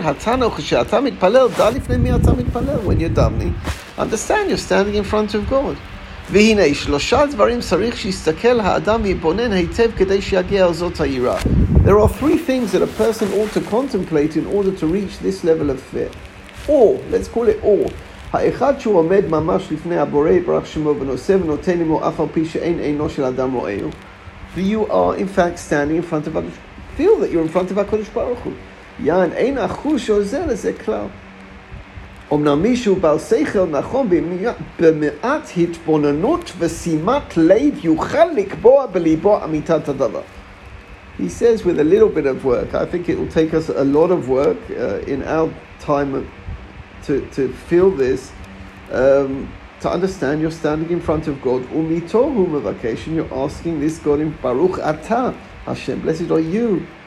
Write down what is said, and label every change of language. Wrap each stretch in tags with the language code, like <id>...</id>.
<en>When you're davening, understand you're standing in front of God. There are three things that a person ought to contemplate in order to reach this level of fear. Or, let's call it or.</en> <he>האחד שהוא עומד ממש לפני הבורא יברך שמו ונושא ונותן עמו אף על פי שאין עינו של אדם רואהו.</he> <en>You are in fact standing in front of HaKadosh Baruch Hu. Feel that you're in front of HaKadosh Baruch Hu.</en> <he>יען, אין החוש שעוזר לזה כלל. אמנם מישהו בעל שכל נכון במעט התבוננות ושימת לב יוכל לקבוע בליבו אמיתת הדבר.</he> <en>He says with a little bit of work, I think it will take us a lot of work in our time to feel this, to understand you're standing in front of God.</en> <he>Umitohu mevakesh,</he> <en>you're asking this God in Baruch Ata, Hashem, blessed are you.</en>